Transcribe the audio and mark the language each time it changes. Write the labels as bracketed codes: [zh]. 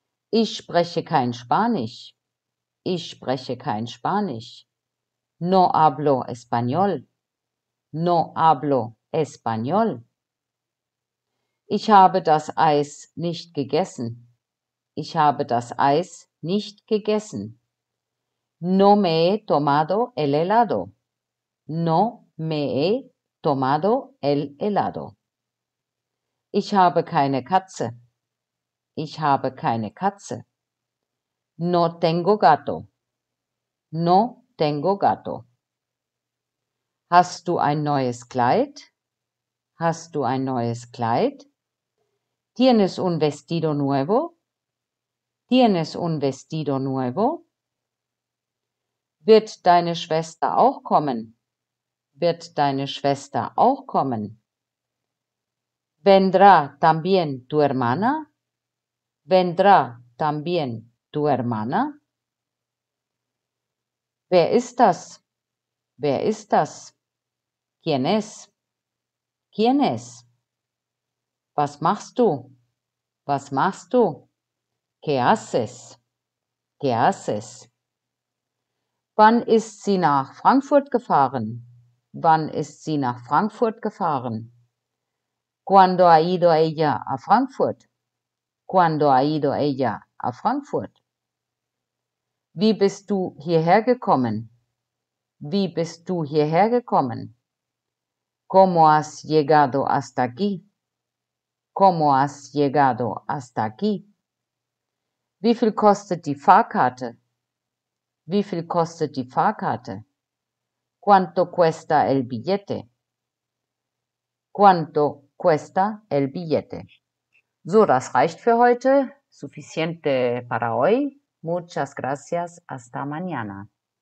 [de] Ich spreche kein Spanisch. Ich spreche kein Spanisch. [es] No hablo español. No hablo español. [de] Ich habe das Eis nicht gegessen. Ich habe das Eis nicht gegessen. [es] No me he tomado el helado. No me he tomado el helado. [de] Ich habe keine Katze. Ich habe keine Katze. [es] No tengo gato. No tengo gato. [de] Hast du ein neues Kleid? Hast du ein neues Kleid? [es] Tienes un vestido nuevo? Tienes un vestido nuevo? [de] Wird deine Schwester auch kommen? Wird deine Schwester auch kommen? [es] Vendrá también tu hermana? Vendrá también tu hermana? [de] Wer ist das? Wer ist das? [es] ¿Quién es? ¿Quién es? [de] Was machst du? Was machst du? [es] ¿Qué haces? ¿Qué haces? [de] Wann ist sie nach Frankfurt gefahren? Wann ist sie nach Frankfurt gefahren? [es] ¿Cuándo ha ido ella a Frankfurt? ¿Cuándo ha ido ella a Frankfurt? [de] Wie bist du hierher gekommen? Wie bist du hierher gekommen? [es] ¿Cómo has llegado hasta aquí? ¿Cómo has llegado hasta aquí? [de] Wie viel kostet die Fahrkarte? Wie viel kostet die Fahrkarte? [es] ¿Cuánto cuesta el billete? ¿Cuánto cuesta el billete? [de] So, das reicht für heute. [es] Suficiente para hoy. Muchas gracias. Hasta mañana.